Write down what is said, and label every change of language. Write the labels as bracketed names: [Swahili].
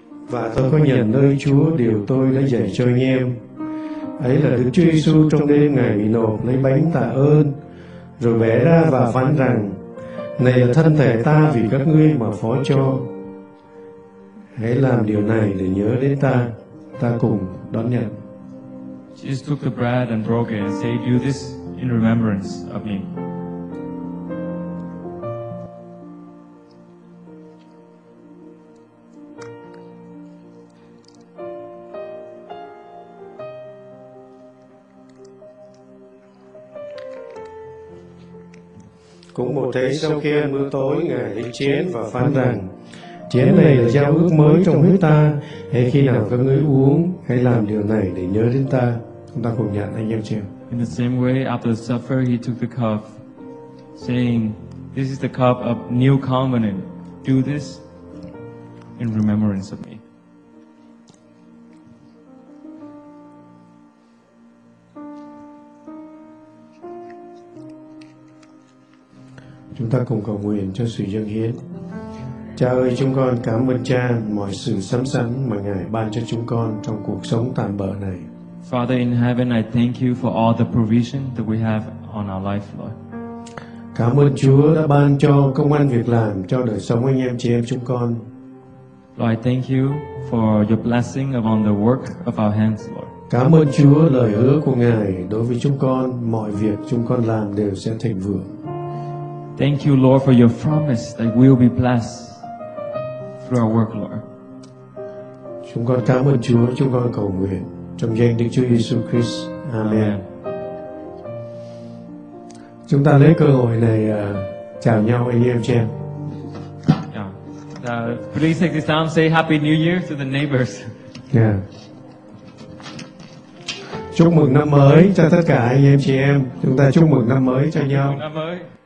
[Vietnamese] và tôi có nhận nơi Chúa điều tôi đã dạy cho anh em. Ấy là Đức Chúa Giêsu trong đêm Ngài bị nộp lấy bánh tạ ơn, rồi bẻ ra và phán rằng: này là thân thể ta vì các ngươi mà phó cho, hãy làm điều này để nhớ đến ta. Ta cùng đón nhận. [English] Jesus took the bread and broke it and said, do this in remembrance of me. [Vietnamese] Cũng một thế sau khi ăn bữa tối, Ngài lấy chén và phán rằng: chén này là giao ước mới trong huyết ta, hãy khi nào các ngươi uống, hãy làm điều này để nhớ đến ta. Chúng ta cùng nhận anh em chị. [English] In the same way, after the supper, he took the cup, saying, this is the cup of new covenant. Do this in remembrance of me. [Vietnamese] Chúng ta cùng cầu nguyện cho sự dâng hiến. Cha ơi, chúng con cảm ơn Cha mọi sự sắm sẵn mà Ngài ban cho chúng con trong cuộc sống tạm bợ này. [English] Father in heaven, I thank you for all the provision that we have on our life, Lord. [Vietnamese] Cảm ơn Chúa đã ban cho công ăn việc làm cho đời sống anh em chị em chúng con. [English] Lord, I thank you for your blessing upon the work of our hands, Lord. [Vietnamese] Cảm ơn Chúa lời hứa của Ngài đối với chúng con, mọi việc chúng con làm đều sẽ thịnh vượng. [English] Thank you, Lord, for your promise that we will be blessed through our work, Lord. [Vietnamese] Chúng con cảm ơn Chúa, chúng con cầu nguyện trong danh Đức Chúa Giêsu Christ. Amen. Chúng ta lấy cơ hội này chào nhau anh em chị em. [English] Yeah. Please take this time, say Happy New Year to the neighbors. Yeah. [Vietnamese] Chúc mừng năm mới cho tất cả anh em chị em. Chúng ta chúc mừng năm mới cho nhau. Năm mới.